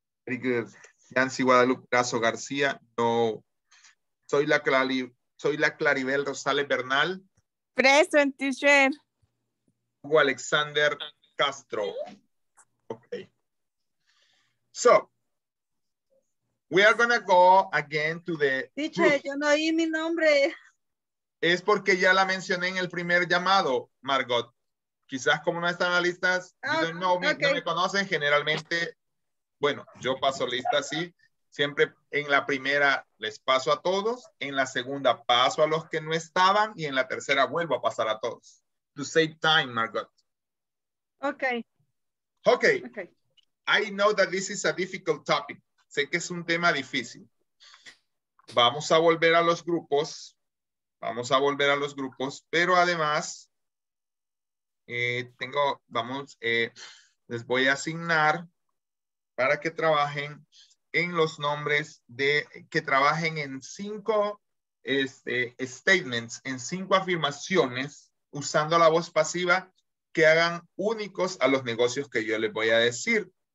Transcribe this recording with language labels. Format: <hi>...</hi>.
<en>Very good.</en> <es>Yancy Guadalupe Caso García. No. Soy la Clali. Soy la Claribel Rosales Bernal.</es> <en>Present, teacher. Hugo Alexander Castro. Okay. So, we are going to go again to the teacher, group.</en> <es>Yo no oí mi nombre. Es porque ya la mencioné en el primer llamado, Margot. Quizás como no están las listas, okay. No me conocen generalmente. Bueno, yo paso lista así. Siempre en la primera les paso a todos, en la segunda paso a los que no estaban y en la tercera vuelvo a pasar a todos.</es> <en>To save time, Margot. Okay. Okay. Okay. I know that this is a difficult topic.</en> <es>Sé que es un tema difícil. Vamos a volver a los grupos. Vamos a volver a los grupos, pero además les voy a asignar para que trabajen en los nombres de que trabajen en cinco statements, en cinco afirmaciones, usando la voz pasiva, que hagan únicos a los negocios que yo les voy a decir.</es>